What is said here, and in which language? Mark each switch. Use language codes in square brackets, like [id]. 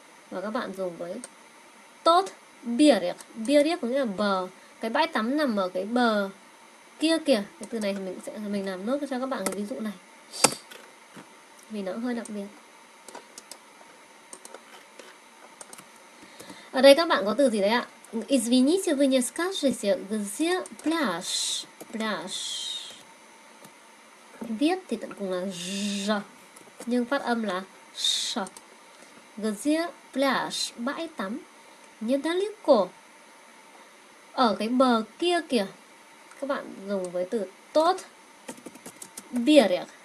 [vi] Và các bạn dùng với tốt biển. Biển có nghĩa là bờ. Cái bãi tắm nằm ở cái bờ kia kìa. Cái từ này mình làm nốt cho các bạn cái ví dụ này, vì nó hơi đặc biệt. Ở đây các bạn có từ gì đấy ạ? [ru] Извините, вы не скажете, где пляж? Пляж. [vi] Viết thì tận cùng là z, nhưng phát âm là sh. [ru] Где пляж? [vi] Bãi tắm. [ru] Недалеко. [vi] Ở cái bờ kia kìa. Các bạn dùng với từ tốt берег.